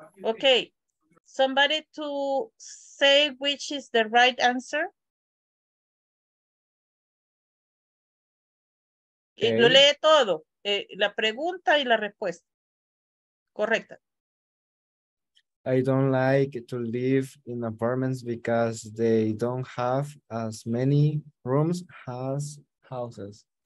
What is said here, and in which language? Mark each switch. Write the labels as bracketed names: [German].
[English] Okay, somebody to say which is the right answer. Okay. [Spanish] Lo lee todo, la pregunta y la respuesta. Correcta. [English] I don't like to live in apartments because they don't have as many rooms as houses.